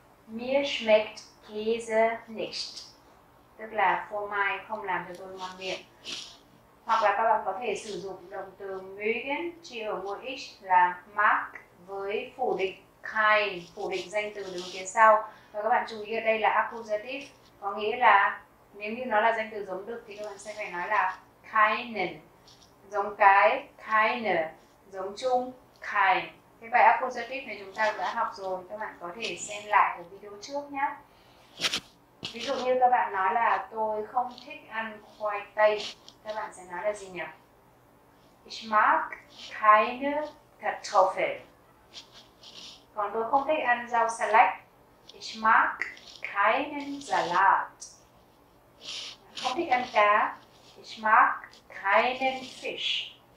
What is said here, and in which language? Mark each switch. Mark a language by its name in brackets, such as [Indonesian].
[German] Mir schmeckt Käse nicht. [Vietnamese] Tức là phô mai không làm cho tôi ngon miệng. Hoặc là các bạn có thể sử dụng động từ mögen chia ở ngôi ich là mag với phủ định kein, phủ định danh từ đứng phía sau. Và các bạn chú ý ở đây là accusative, có nghĩa là nếu như nó là danh từ giống đực thì các bạn sẽ phải nói là keinen, giống cái, keine, giống chung, kein. Cái bài accusative này chúng ta đã học rồi, các bạn có thể xem lại ở video trước nhé. Ví dụ như các bạn nói là tôi không thích ăn khoai tây, các các bạn sẽ nói là gì nhỉ? [German] Ich mag keine Kartoffel. [Vietnamese] Còn tôi không thích ăn rau salad. [German] Ich mag keinen Salat. [Vietnamese] Không thích ăn cá. [German] Ich mag keinen Fisch.